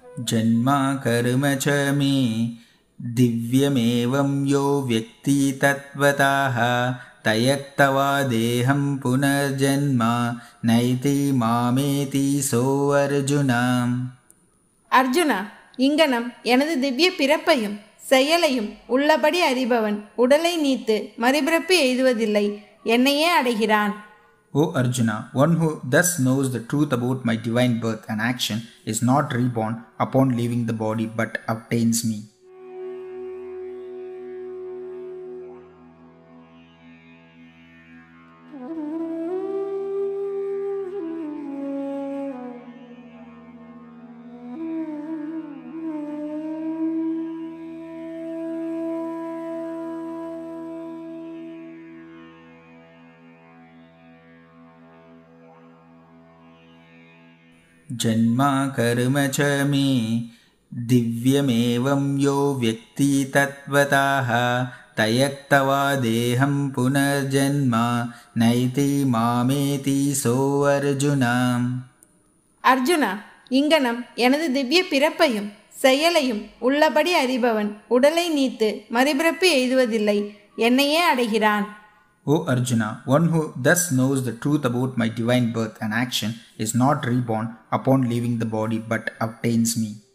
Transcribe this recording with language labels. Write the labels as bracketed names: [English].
[Sanskrit] ஜென்மா கர்ம ச மே திவ்யமேவம் யோ வ்யக்தி தத்வதாஹ தயக்தவா தேஹம் புனர்ஜென்மா நைதி மாமேதி சோ அர்ஜுனா. [Tamil] அர்ஜுனா, இங்கனம் எனது திவ்ய பிறப்பையும் செயலையும் உள்ளபடி அறிபவன் உடலை நீத்து மறுபிறப்பு எய்துவதில்லை, என்னையே அடைகிறான். [English] O Arjuna, one who thus knows the truth about my divine birth and action is not reborn upon leaving the body but obtains me. [Sanskrit] ஜென்மா கர்ம ச மே திவ்யமேவம் யோ வ்யக்தி தத்வதாஹ தயக்தவா தேஹம் புனர்ஜென்மா நைதி மாமேதி சோ அர்ஜுனா. [Tamil] அர்ஜுனா, இங்கனம் எனது திவ்ய பிறப்பையும் செயலையும் உள்ளபடி அறிபவன் உடலை நீத்து மறுபிறப்பு எய்துவதில்லை, என்னையே அடைகிறான். [English] O Arjuna, one who thus knows the truth about my divine birth and action is not reborn upon leaving the body but obtains me.